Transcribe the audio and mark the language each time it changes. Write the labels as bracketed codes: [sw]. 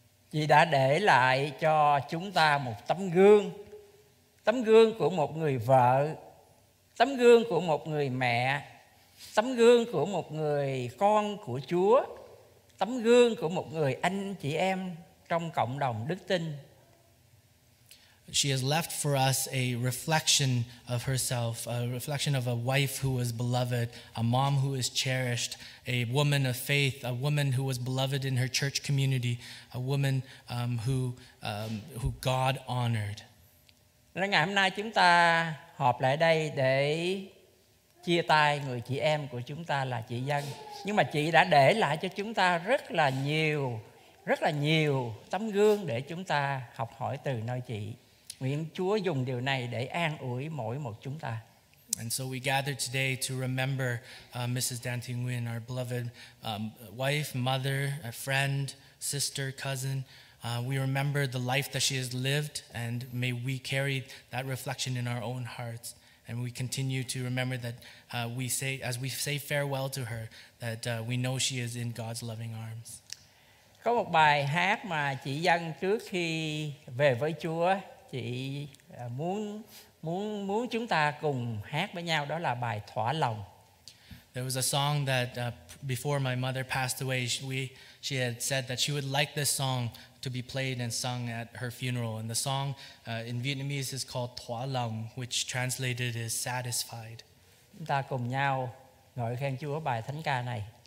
[vi] Chị đã để lại cho chúng ta một tấm gương của một người vợ, tấm gương của một người mẹ, tấm gương của một người con của Chúa, tấm gương của một người anh chị em trong cộng đồng đức tin. [en] She has left for us a reflection of herself, a reflection of a wife who was beloved, a mom who is cherished, a woman of faith, a woman who was beloved in her church community, a woman who God honored. [vi] Nên ngày hôm nay chúng ta họp lại đây để chia tay người chị em của chúng ta là chị Dân. Nhưng mà chị đã để lại cho chúng ta rất là nhiều tấm gương để chúng ta học hỏi từ nơi chị. Nguyện Chúa dùng điều này để an ủi mỗi một chúng ta. [en] And so we gather today to remember Mrs. Dan Thi Nguyen, our beloved wife, mother, a friend, sister, cousin. We remember the life that she has lived and may we carry that reflection in our own hearts. And we continue to remember that as we say farewell to her, that we know she is in God's loving arms. [vi] Có một bài hát mà chị Dân trước khi về với Chúa, chị muốn chúng ta cùng hát với nhau, đó là bài Thỏa Lòng. [en] There was a song that before my mother passed away, she had said that she would like this song to be played and sung at her funeral. And the song in Vietnamese is called Thỏa Lòng, which translated is satisfied. [vi] Chúng ta cùng nhau ngợi khen Chúa bài thánh ca này.